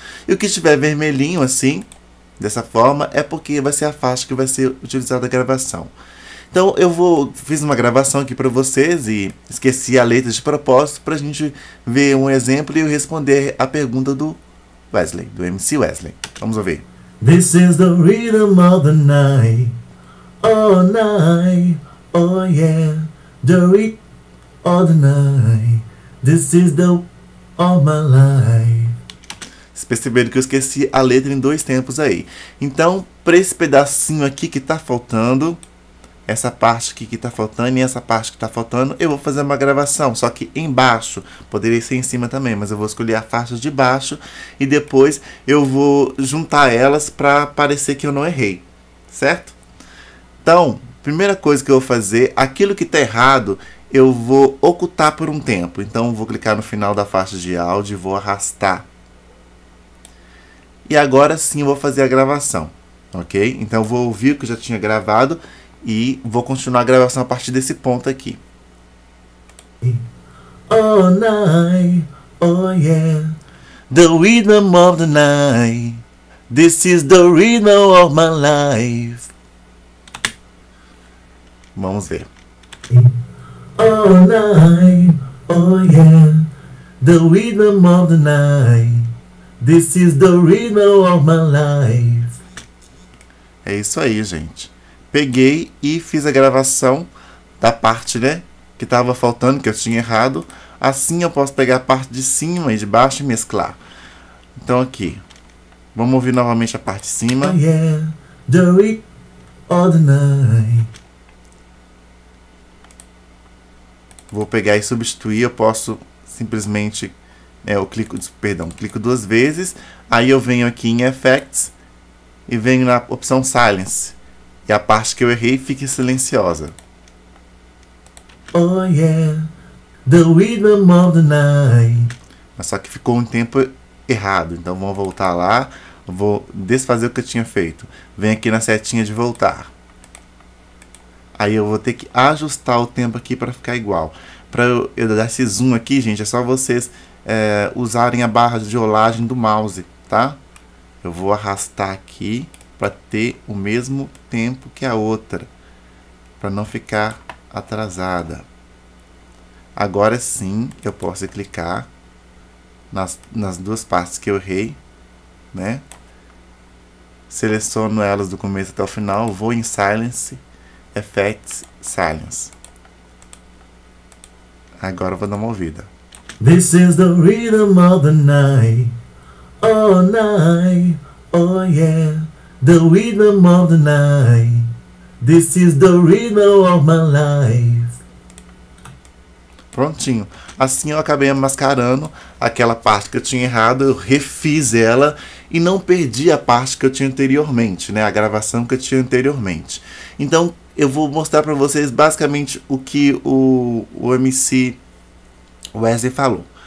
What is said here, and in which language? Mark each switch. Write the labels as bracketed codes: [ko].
[pt] E o que estiver vermelhinho assim, dessa forma, é porque vai ser a faixa que vai ser utilizada a gravação. Então eu fiz uma gravação aqui para vocês e esqueci a letra de propósito para a gente ver um exemplo e eu responder a pergunta do Wesley, do MC Wesley. Vamos ouvir. [en] This is the rhythm of the night, all night, oh yeah, the rhythm of the night, this is the of my life. [pt] Perceberam que eu esqueci a letra em dois tempos aí. Então, para esse pedacinho aqui que tá faltando, essa parte aqui que tá faltando e essa parte que tá faltando, eu vou fazer uma gravação. Só que embaixo, poderia ser em cima também, mas eu vou escolher a faixa de baixo e depois eu vou juntar elas para parecer que eu não errei, certo? Então, primeira coisa que eu vou fazer, aquilo que tá errado, eu vou ocultar por um tempo. Então, vou clicar no final da faixa de áudio e vou arrastar. E agora sim eu vou fazer a gravação, ok? Então eu vou ouvir o que eu já tinha gravado e vou continuar a gravação a partir desse ponto aqui. [en] All night, oh yeah, The rhythm of the night, this is the rhythm of my life. [pt] Vamos ver. [en] all night, oh yeah, the rhythm of the night, this is the rhythm of my life. [pt] É isso aí, gente. Peguei e fiz a gravação da parte, né, que estava faltando, que eu tinha errado. Assim eu posso pegar a parte de cima e de baixo e mesclar. Então aqui, vamos ouvir novamente a parte de [en] Oh [pt] cima. [en] yeah, the rhythm of the night. [pt] Vou pegar e substituir. Eu posso simplesmente, eu clico, perdão, clico duas vezes. Aí eu venho aqui em Effects e venho na opção Silence. E a parte que eu errei fica silenciosa. [en] Oh yeah, the rhythm of the night. [pt] Mas só que ficou um tempo errado. Então vamos voltar lá. Vou desfazer o que eu tinha feito. Vem aqui na setinha de voltar. Aí eu vou ter que ajustar o tempo aqui para ficar igual. Para eu dar esse zoom aqui, gente, é só vocês usarem a barra de rolagem do mouse, tá? Eu vou arrastar aqui para ter o mesmo tempo que a outra, para não ficar atrasada. Agora sim, eu posso clicar nas duas partes que eu errei, né? Seleciono elas do começo até o final, vou em Silence, Effects, Silence. Agora eu vou dar uma ouvida. [en] This is the rhythm of the night, all night, oh yeah, the rhythm of the night, this is the rhythm of my life. [pt] Prontinho. Assim eu acabei mascarando aquela parte que eu tinha errado, eu refiz ela e não perdi a parte que eu tinha anteriormente, né? A gravação que eu tinha anteriormente. Então, eu vou mostrar para vocês basicamente o que o MC Wesley falou.